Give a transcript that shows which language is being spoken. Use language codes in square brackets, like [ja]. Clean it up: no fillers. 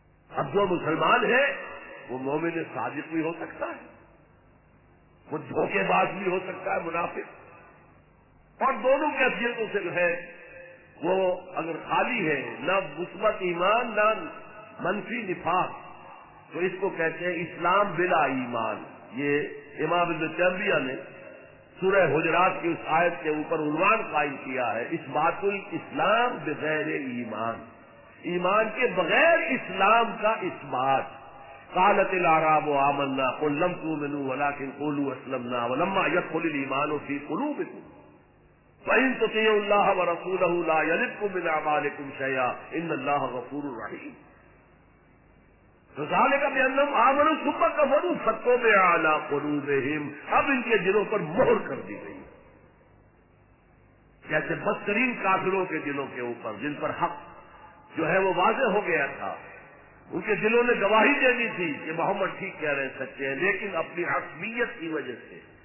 [ur] اب جو مسلمان ہے وہ مومن صادق بھی ہو سکتا ہے، وہ دھوکے باز بھی ہو سکتا ہے منافق، اور دونوں کیفیتوں سے ہے وہ اگر خالی ہے، نہ مثبت ایمان نہ منفی نفاق، تو اس کو کہتے ہیں اسلام بلا ایمان. یہ امام ابن تیمیہ نے سورہ حجرات کی اس آیت کے اوپر عنوان قائم کیا ہے، اس بات کو اسلام بغیر ایمان، ایمان کے بغیر اسلام کا اس بات. [ar] قالت الاعراب آمنا قل لم تؤمنوا ولكن قولوا اسلمنا ولما يدخل الايمان في قلوبكم فان تطيعوا الله ورسوله لا يلتكم من اعمالكم شيئا ان الله غفور رحيم. ذالک بانہم آمنوا ثم کفروا فتوب علی قلوبہم، [ur] اب ان کے دلوں پر مہر کر دی گئی، جیسے بدترین کافروں کے دلوں کے اوپر جن پر حق جو ہے وہ واضح ہو گیا تھا، ان کے دلوں نے گواہی دے دی تھی کہ محمد ٹھیک کہہ رہے ہیں سچے ہیں، لیکن اپنی حسمیت کی وجہ سے،